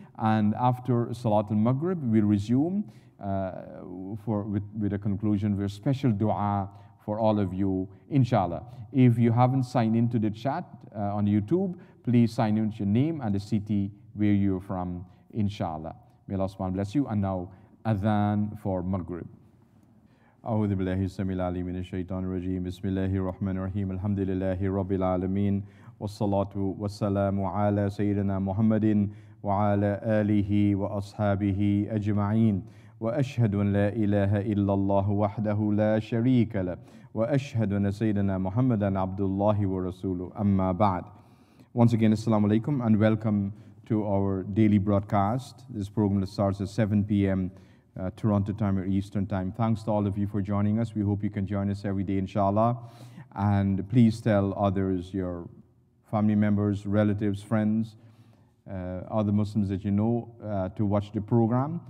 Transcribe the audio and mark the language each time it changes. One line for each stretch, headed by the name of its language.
English: And after Salat al-Maghrib, we'll resume with a conclusion with a special dua for all of you, inshallah. If you haven't signed into the chat on YouTube, please sign in with your name and the city where you're from, inshallah. May Allah subhanahu bless you. And now, adhan for Maghrib.
Arabic: أعوذ بالله السميع العليم من الشيطان الرجيم بسم الله الرحمن الرحيم الحمد لله رب العالمين والصلاة والسلام على سيدنا محمد وعلى آله وأصحابه أجمعين وأشهد أن لا إله إلا الله وحده لا شريك له وأشهد أن سيدنا محمدا عبد الله ورسوله أما بعد.
English: Once again, assalamu alaikum and welcome to our daily broadcast. This program starts at 7 p.m. Toronto time or Eastern time. Thanks to all of you for joining us. We hope you can join us every day, inshallah. And please tell others, your family members, relatives, friends, other Muslims that you know, to watch the program.